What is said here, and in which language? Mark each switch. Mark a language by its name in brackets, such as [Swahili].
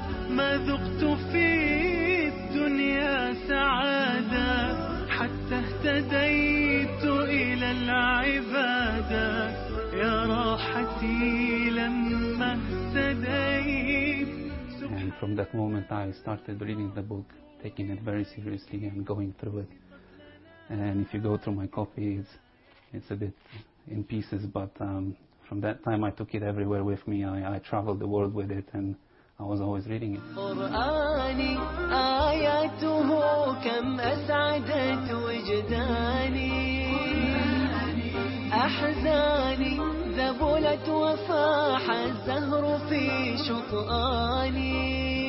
[Arabic] ما ذقت في الدنيا سعادة حتى اهتديت إلى العبادة يا راحتي لما اهتديت. [English] And from that moment I started reading the book, taking it very seriously and going through it. And if you go through my copy, it's a bit in pieces, but from that time I took it everywhere with me. I traveled the world with it and I was always reading it. [Arabic] قرآني آياته كم أسعدت وجداني أحزاني ذبلت وفاح الزهر في شطآني.